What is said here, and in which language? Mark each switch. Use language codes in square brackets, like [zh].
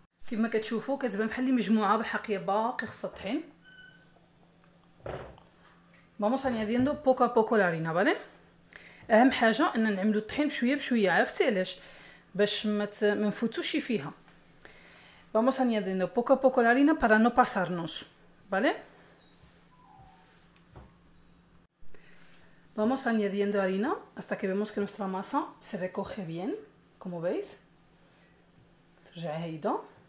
[ar] كما كتشوفوا كتبان بحال لي مجموعه، بالحقيقه باقي خصها الطحين. [es] vamos añadiendo poco a poco la harina. [ar] vale، اهم حاجه ان نعملو الطحين بشويه بشويه. عرفتي علاش؟ باش ما نفوتوش فيها. [es] Vamos añadiendo poco a poco la harina para no pasarnos, ¿vale? Vamos añadiendo harina hasta que vemos que nuestra masa se recoge bien, como veis. Ya he ido.